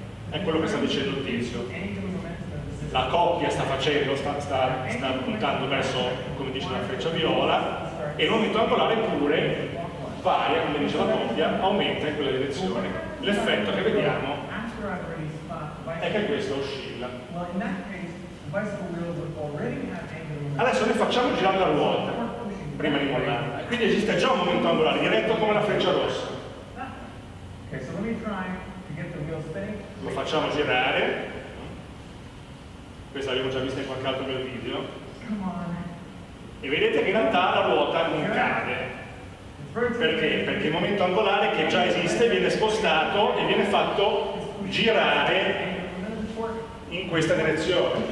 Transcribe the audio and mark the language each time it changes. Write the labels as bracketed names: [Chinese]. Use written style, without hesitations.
[Italian] È quello che sta dicendo il tizio. La coppia sta facendo, sta puntando verso, come dice la freccia viola, e il momento angolare pure varia, come dice la coppia, aumenta in quella direzione. L'effetto che vediamo [English] after I've already spotted the bicycle wheel, [Italian] oscilla. [English] Well, in that case, the bicycle wheel would already have angular. [Italian] Adesso noi facciamo girare la ruota prima di mollare. Quindi esiste già un momento angolare, diretto come la freccia rossa. [English] Okay, so let me try to get the wheel spinning. [Italian] Lo facciamo girare. Questa l'abbiamo già vista in qualche altro mio video. [English] Come on. [Italian] E vedete che in realtà la ruota non cade. Perché? Perché il momento angolare che già esiste viene spostato e viene fatto girare in questa direzione.